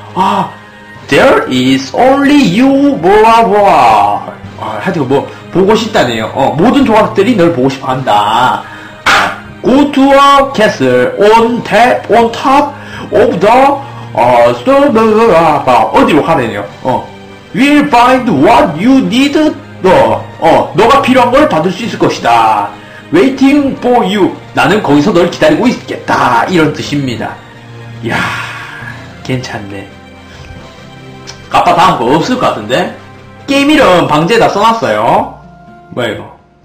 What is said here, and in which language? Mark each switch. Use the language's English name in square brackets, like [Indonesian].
[English] 아 there is only you blah blah. [Korean] 아 하여튼 뭐 보고 싶다네요. 모든 조각들이 널 보고 싶어한다. [English] Go to a castle on top of the stone. [Korean] 어디로 가래요? [English] We'll find what you need. [Korean] 너가 필요한 걸 받을 수 있을 것이다. [English] Waiting for you. [Korean] 나는 거기서 널 기다리고 있겠다. 이런 뜻입니다. 이야, 괜찮네. 아빠 다음 거 없을 것 같은데? 게임 이름 방제에다 써놨어요. 뭐야 이거?